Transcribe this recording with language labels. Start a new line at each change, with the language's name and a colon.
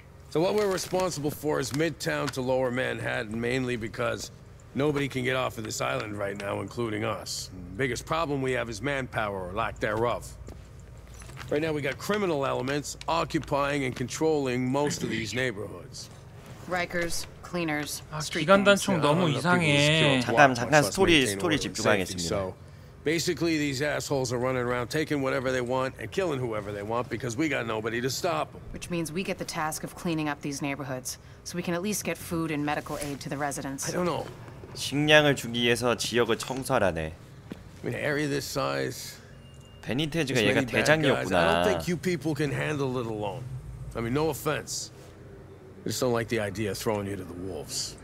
English: So what we're responsible for is Midtown to Lower Manhattan, mainly because nobody can get off of this island right now, including us. The biggest problem we have is manpower, or lack thereof. Right now we got criminal elements occupying and controlling most of these neighborhoods. Rikers, cleaners.
Korean: 아, 기간단 총 너무 이상해. 잠깐 스토리 집중하겠습니다.
English: So, basically these assholes are running around taking whatever they want and killing whoever they want because we got nobody to stop them. Which means we get the task of cleaning up these neighborhoods so we can at least get food and medical aid to the residents. I don't know.
Korean: 식량을 주기 위해서 지역을 청소하라네.
English: I mean, area this size.
Korean: 베니테즈가 얘가 대장이었구나.
English: I don't think you people can handle it alone. I mean, no offense. I just don't like the idea of throwing you to the wolves.